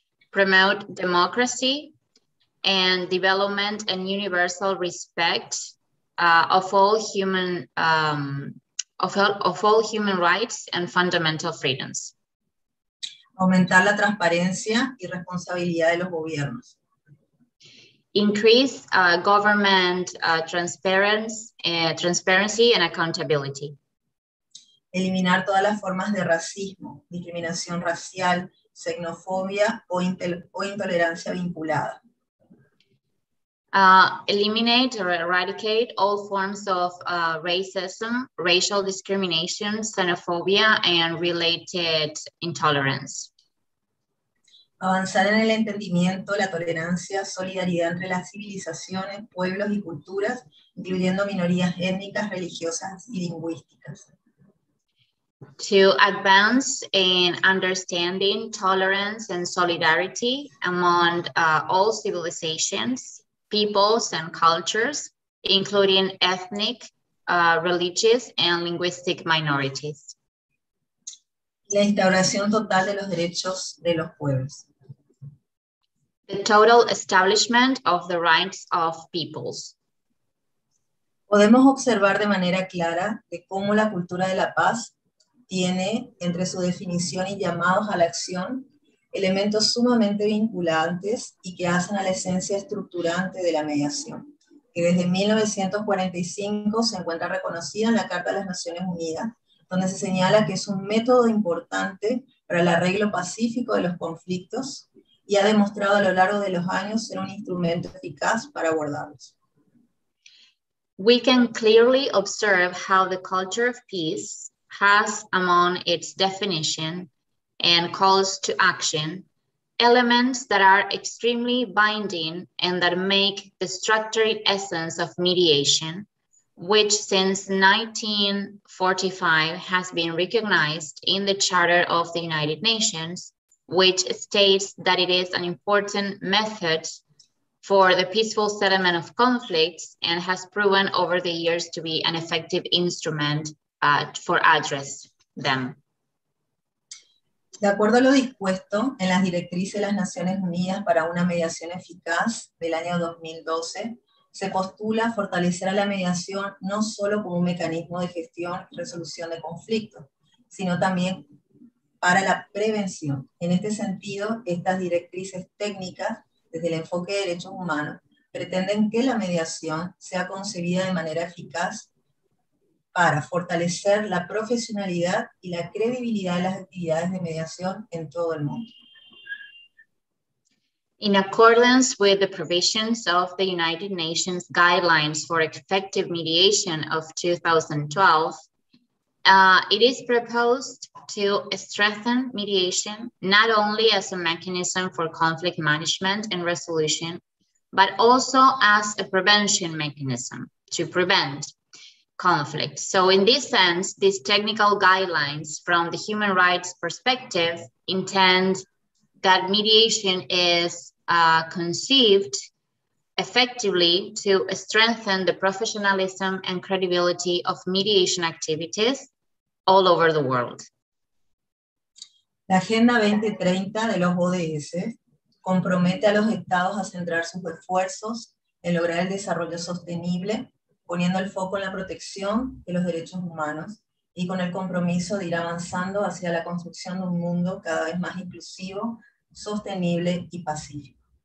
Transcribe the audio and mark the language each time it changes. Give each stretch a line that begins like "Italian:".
English: Promote democracy and development and universal respect of all human rights and fundamental freedoms.
Spanish: Aumentar la transparencia y responsabilidad de los gobiernos.
English: Increase government transparency and accountability.
Spanish: Eliminar todas las formas de racismo, discriminación racial, xenofobia o intolerancia vinculada.
English: Eliminate or eradicate all forms of racism, racial discrimination, xenophobia and related intolerance.
Spanish: Avanzar en el entendimiento, la tolerancia, solidaridad entre las civilizaciones, pueblos y culturas, incluyendo minorías étnicas, religiosas y lingüísticas.
English: To advance in understanding, tolerance and solidarity among all civilizations, peoples and cultures, including ethnic, religious and linguistic minorities.
Spanish: La instauración total de los derechos de los pueblos.
English: The total establishment of the rights of peoples.
Spanish: Podemos observar de manera clara de cómo la cultura de la paz tiene entre su definición y llamados a la acción elementos sumamente vinculantes y que hacen a la esencia estructurante de la mediación, que desde 1945 se encuentra reconocida en la Carta de las Naciones Unidas, donde se señala que es un método importante para el arreglo pacífico de los conflictos y ha demostrado a lo largo de los años ser un instrumento eficaz para abordarlos.
English: We can clearly observe how the culture of peace has among its definition and calls to action, elements that are extremely binding and that make the structured essence of mediation, which since 1945 has been recognized in the Charter of the United Nations, which states that it is an important method for the peaceful settlement of conflicts and has proven over the years to be an effective instrument for address them.
Spanish: De acuerdo a lo dispuesto en las directrices de las Naciones Unidas para una mediación eficaz del año 2012, se postula fortalecer a la mediación no solo como un mecanismo de gestión y resolución de conflictos, sino también para la prevención. En este sentido, estas directrices técnicas, desde el enfoque de derechos humanos, pretenden que la mediación sea concebida de manera eficaz para fortalecer la profesionalidad y la credibilidad de las actividades de mediación en todo el mundo.
English: In accordance with the provisions of the United Nations Guidelines for Effective Mediation of 2012, it is proposed to strengthen mediation not only as a mechanism for conflict management and resolution, but also as a prevention mechanism to prevent conflict. So in this sense, these technical guidelines from the human rights perspective intend that mediation is conceived effectively to strengthen the professionalism and credibility of mediation activities all over the world.
Spanish: La Agenda 2030 de los ODS compromete a los estados a centrar sus esfuerzos en lograr el desarrollo sostenible, poniendo el foco en la protección de los derechos humanos y con el compromiso de ir avanzando hacia la construcción de un mundo cada vez más inclusivo, sostenible y pacífico.